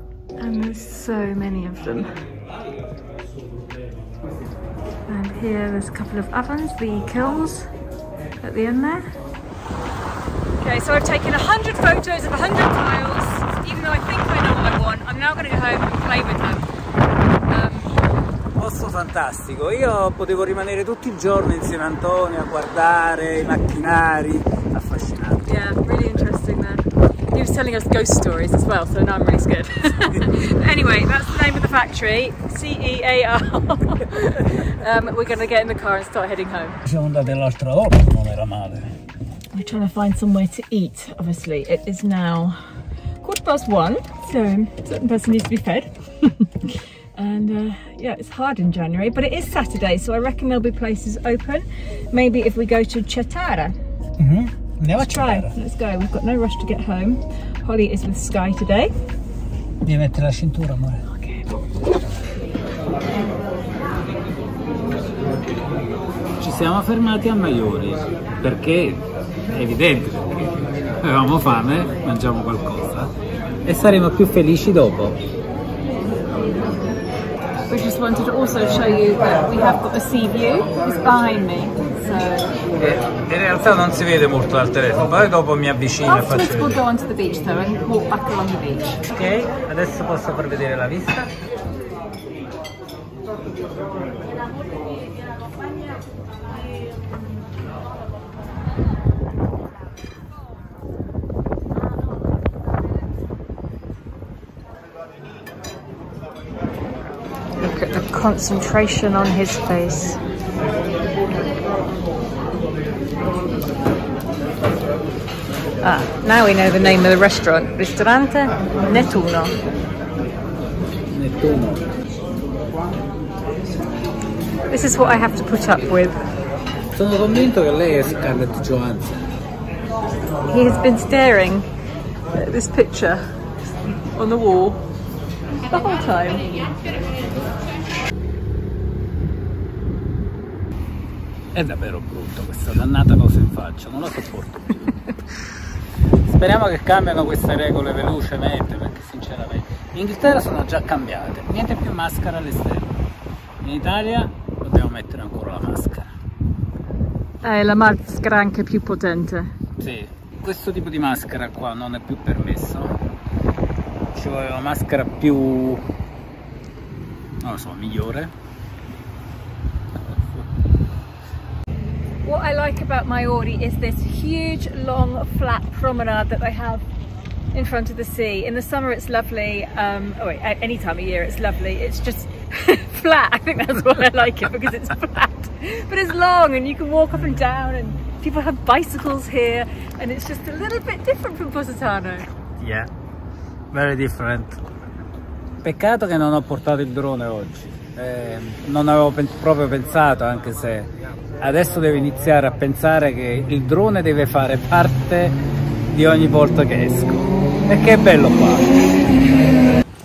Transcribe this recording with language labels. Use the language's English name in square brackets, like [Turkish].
[English] And there's so many of them. And here there's a couple of ovens, the kilns at the end there. Okay, so I've taken 100 photos of 100 tiles. Even though I think I know what I want, I'm now going to go home and play with them. [Italian] Posto fantastico, io potevo rimanere tutto il giorno insieme a Antonio a guardare i macchinari, affascinante. [English] Yeah, really interesting there. He was telling us ghost stories as well, so now I'm really scared. Anyway, that's the name of the factory, C-E-A-R. We're going to get in the car and start heading home. [Italian] Siamo andati l'altra volta, non era male. [English] We're trying to find somewhere to eat, obviously. It is now 1:15, so a certain person needs to be fed. And yeah, it's hard in January, but it is Saturday, so I reckon there'll be places open. Maybe if we go to Cetara. Mm-hmm. Never try. Let's go. We've got no rush to get home. Holly is with Sky today. [Italian] Devi mettere la cintura, amore. [English] Okay. [Italian] Ci siamo fermati a Maiori perché è evidente che avevamo fame, mangiamo qualcosa e saremo più felici dopo. [English] We just wanted to also show you that we have got the sea view. It's behind me, so... [Italian] In realtà non si vede molto dal telefono, poi dopo mi avvicino e faccio vedere. [English] We'll go onto the beach though and walk back along the beach. [Italian] Okay, adesso posso far vedere la vista. [English] Concentration on his face. Ah, now we know the name of the restaurant, Ristorante Nettuno. This is what I have to put up with. [Italian] Sono convinto che lei è Scarlett Johansson. [English] He has been staring at this picture on the wall the whole time. [Italian] È davvero brutto questa dannata cosa in faccia, non la sopporto più. Speriamo che cambiano queste regole velocemente, perché sinceramente in Inghilterra sono già cambiate, niente più maschera all'esterno. In Italia dobbiamo mettere ancora la maschera. La maschera anche più potente. Sì, questo tipo di maschera qua non è più permesso. Ci vuole una maschera più, non lo so, migliore. [English] What I like about Maiori is this huge, long, flat promenade that they have in front of the sea. In the summer it's lovely, any time of year it's lovely. It's just flat, I think that's why I like it, because it's flat. But it's long and you can walk up and down and people have bicycles here and it's just a little bit different from Positano. Yeah, very different. [Italian] Peccato che non ho portato il drone oggi. Non avevo proprio pensato, anche se adesso devo iniziare a pensare che il drone deve fare parte di ogni volta che esco, perché è bello qua.